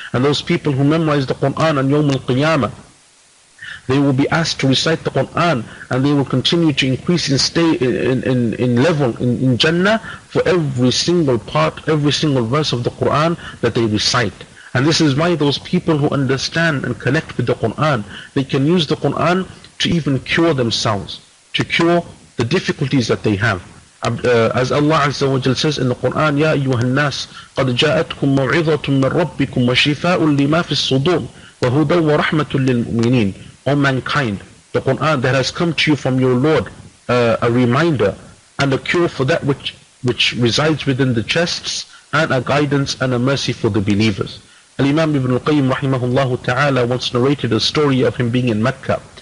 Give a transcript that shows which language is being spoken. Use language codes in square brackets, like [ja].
[en] And those people who memorize the Quran on Yawm al-Qiyamah, they will be asked to recite the Quran, and they will continue to increase in stay in level in Jannah for every single part, every single verse of the Quran that they recite. And this is why those people who understand and connect with the Quran, they can use the Quran to even cure themselves, to cure the difficulties that they have. As Allah Azza wa Jal says in the Quran, [ar] يَا أَيُّهَا النَّاسِ قَدْ جَاءَتْكُمْ مَوْعِظَةٌ مِّن رَبِّكُمْ وَشِفَاءٌ لِمَا فِي الصُّدُورِ وَهُدًى وَرَحْمَةٌ لِلْمُؤْمِنِينَ. [en] O mankind, the Quran that has come to you from your Lord, a reminder and a cure for that which resides within the chests, and a guidance and a mercy for the believers. Al-Imam Ibn Al-Qayyim rahimahullahu ta'ala once narrated a story of him being in Mecca.